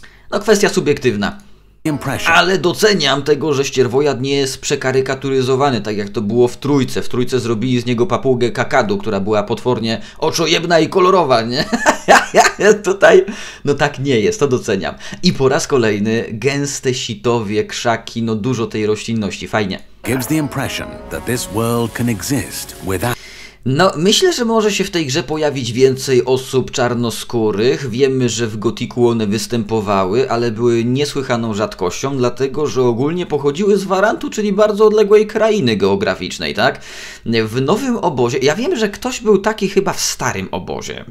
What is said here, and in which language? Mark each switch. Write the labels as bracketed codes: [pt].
[pl] No kwestia subiektywna. Ale doceniam tego, że ścierwojad nie jest przekarykaturyzowany, tak jak to było w Trójce. W Trójce zrobili z niego papugę kakadu, która była potwornie oczojebna i kolorowa, nie? Tutaj, no tak nie jest, to doceniam. I po raz kolejny, gęste sitowie, krzaki, no dużo tej roślinności, fajnie. [en] Gives the impression that this world can exist without... [pl] No, myślę, że może się w tej grze pojawić więcej osób czarnoskórych. Wiemy, że w Gothicu one występowały, ale były niesłychaną rzadkością, dlatego że ogólnie pochodziły z Warantu, czyli bardzo odległej krainy geograficznej, tak? W nowym obozie... Ja wiem, że ktoś był taki chyba w starym obozie.